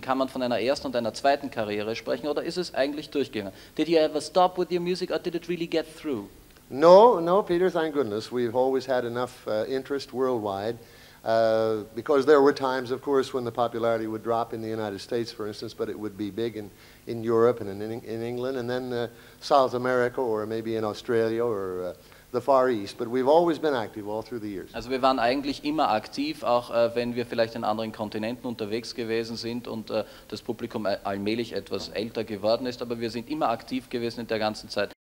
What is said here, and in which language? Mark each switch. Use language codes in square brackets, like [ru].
[de] Kann man von einer ersten und einer zweiten Karriere sprechen oder ist es eigentlich durchgegangen? [en] Did you ever stop with your music or did it really get through? No, no, Peter, thank goodness. We've always had enough interest worldwide because there were times, of course, when the popularity would drop in the United States, for instance, but it would be big in Europe and in England and then South America or maybe in Australia or... the Far East, but we've always been active all through the years. [de] Also wir waren eigentlich immer aktiv, auch wenn wir vielleicht in anderen Kontinenten unterwegs gewesen sind und das Publikum allmählich etwas älter geworden ist, aber wir sind immer aktiv gewesen in der ganzen Zeit.